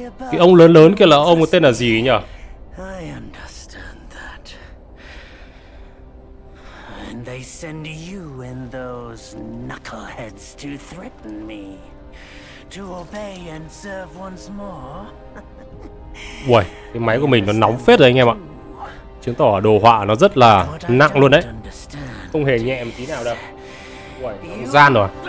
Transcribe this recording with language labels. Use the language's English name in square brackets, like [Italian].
[Vietnamese] Cái ông lớn lớn kia là ông tên là gì nhỉ? [English] I understand that. And they send you and those knuckleheads to threaten me. To obey and serve once more. [Vietnamese] Uầy, cái máy của mình nó nóng phết rồi anh em ạ. Chứng tỏ đồ họa nó rất là nặng luôn đấy. Không hề nhẹ một tí nào đâu. Uầy, gian rồi.